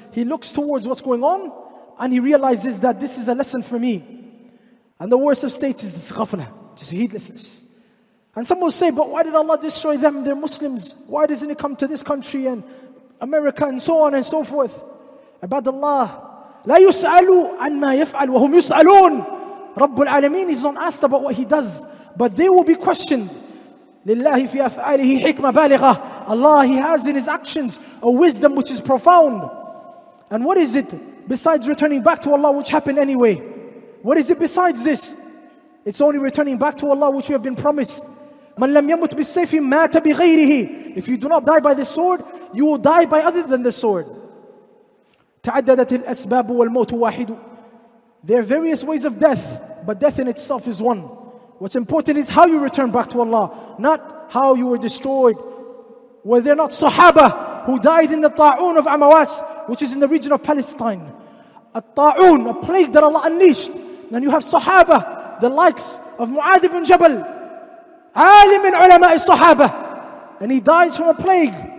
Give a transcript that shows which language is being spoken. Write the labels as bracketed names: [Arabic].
[English] He looks towards what's going on and he realizes that this is a lesson for me. And the worst of states is this ghafla, just heedlessness. And some will say, but why did Allah destroy them? They're Muslims. Why doesn't it come to this country and America and so on and so forth? [Arabic] Ibadallah, لا يسألوا عن ما يفعل وهم يسألون. رب العالمين [English] is not asked about what He does, but they will be questioned. [Arabic] لله في أفعاله حكمة بالغة. [English] Allah, He has in His actions a wisdom which is profound. And what is it besides returning back to Allah which happened anyway? What is it besides this? It's only returning back to Allah which we have been promised. [Arabic] من لم يمت بالسيف مات بغيره. [English] If you do not die by the sword, you will die by other than the sword. [Arabic] تعددت الأسباب والموت واحد. [English] There are various ways of death, but death in itself is one. What's important is how you return back to Allah, not how you were destroyed. Were there not Sahaba who died in the Ta'un of Amawas, which is in the region of Palestine? A Ta'un, a plague that Allah unleashed. Then you have Sahaba, the likes of Mu'adh ibn Jabal, [Arabic] Alim min ulama al-Sahaba, [English] and he dies from a plague.